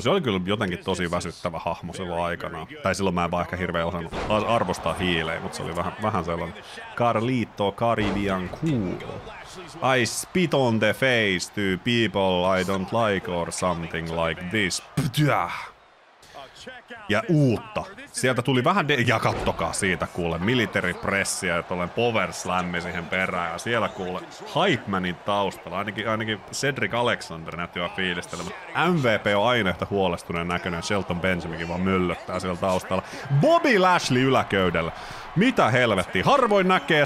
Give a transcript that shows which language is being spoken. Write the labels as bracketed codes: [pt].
[fi] Se oli kyllä jotenkin tosi väsyttävä hahmo silloin aikana. Tai silloin mä en vaan ehkä hirveän osannut arvostaa hiilejä, mutta se oli vähän sellainen. [en] Carlito Caribbean cool. I spit on the face to people I don't like or something like this. [fi] Pytyäh! Ja uutta. Sieltä tuli vähän ja kattokaa siitä kuule. Military pressia ja tollen power slammi siihen perään. Ja siellä kuule Hype Manin taustalla. Ainakin Cedric Alexander näytti vaan fiilistelemään. MVP on aina yhtä huolestuneen näköinen. Shelton Benjaminkin vaan möllöttää siellä taustalla. Bobby Lashley yläköydellä. Mitä helvettiä. Harvoin näkee.